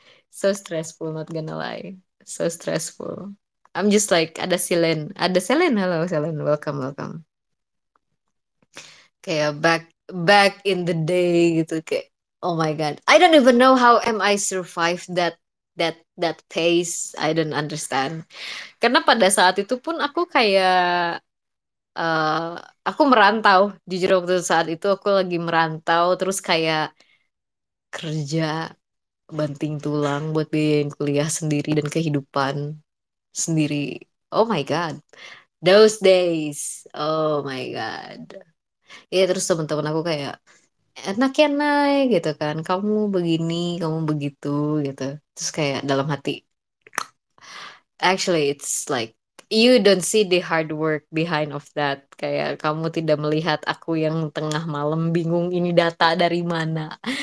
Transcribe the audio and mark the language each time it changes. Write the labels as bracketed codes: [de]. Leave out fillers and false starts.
[en] So stressful, not gonna lie. So stressful. I'm just like, [id] ada Selen. Ada Selen, [en] hello Selen, welcome, welcome. [id] Kayak [en] back in the day gitu, kayak, oh my God. I don't even know how am I survive that pace. I don't understand. [id] Karena pada saat itu pun aku kayak, aku merantau, jujur waktu saat itu aku lagi merantau, terus kayak kerja banting tulang buat biayain kuliah sendiri dan kehidupan sendiri. [en] Oh my God, those days, oh my God. [id] Ya terus teman-teman aku kayak, enak ya Nay gitu kan, kamu begini, kamu begitu gitu. Terus kayak dalam hati, [en] actually it's like, you don't see the hard work behind of that. [id] Kayak kamu tidak melihat aku yang tengah malam bingung ini data dari mana.